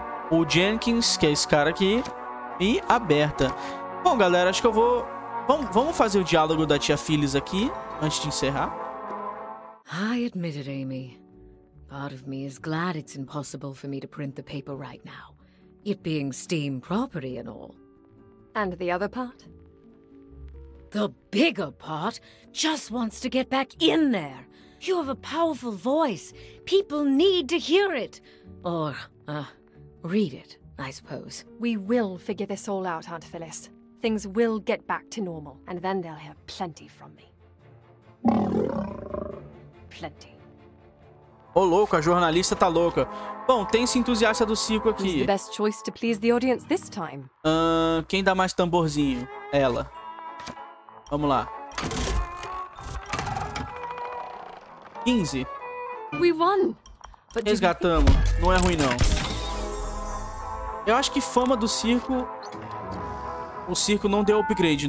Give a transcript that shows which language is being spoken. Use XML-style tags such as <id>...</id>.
<pt>O Jenkins, que é esse cara aqui. E a Berta. Bom, galera, acho que eu vou... Vamos fazer o diálogo da tia Phyllis aqui antes de encerrar.</pt> <en>I admit it, Amy. Part of me is glad it's impossible for me to print the paper right now. It being steam property and all. And the other part? The bigger part just wants to get back in there. You have a powerful voice. People need to hear it. Or, read it, I suppose. We will figure this all out, Aunt Phyllis. Things will get back to normal, and then they'll hear plenty from me. Plenty.</en> <pt>Ô, louco, a jornalista tá louca. Bom, tem esse entusiasta do circo aqui.</pt> <en>Who's the best choice to please the audience this time?</en> <pt>Quem dá mais tamborzinho? Ela. Vamos lá. 15.</pt> <en>We won.</en> <pt>But resgatamos. Não é ruim, não. Eu acho que fama do circo... O circo não deu upgrade.</pt>